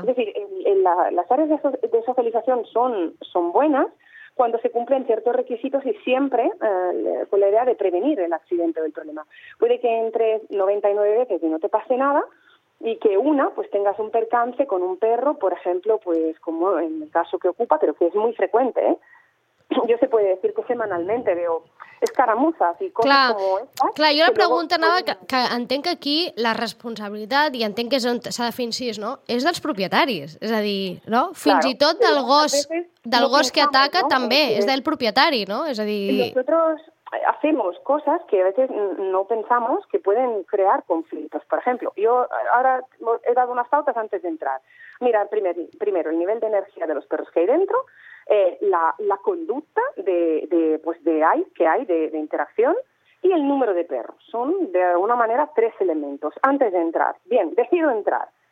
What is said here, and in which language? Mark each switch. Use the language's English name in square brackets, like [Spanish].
[Spanish] Es decir, las áreas de socialización son buenas cuando se cumplen ciertos requisitos y siempre con la idea de prevenir el accidente o el problema. Puede que entre 99 veces y no te pase nada, y que una pues tengas un percance con un perro, por ejemplo, pues como en el caso que ocupa, pero que es muy frecuente, yo se puede decir que semanalmente veo escaramuzas y cosas [Catalan] clar, [Spanish] como estas. [Catalan] Clar, jo la pregunta anava que entenc que aquí la responsabilitat, i entenc que és on s'ha de fincir, no? És dels propietaris, és a dir, no? Fins [Spanish] claro, [Catalan] i tot del gos, del gos que ataca, no? També és del propietari, no? És a dir, [Spanish] nosotros hacemos cosas que a veces no pensamos que pueden crear conflictos. Por ejemplo, yo ahora he dado unas pautas antes de entrar. Mira, primero el nivel de energía de los perros que hay dentro, la conducta de interacción y el número de perros. Son, de alguna manera, 3 elementos antes de entrar. Bien, decido entrar.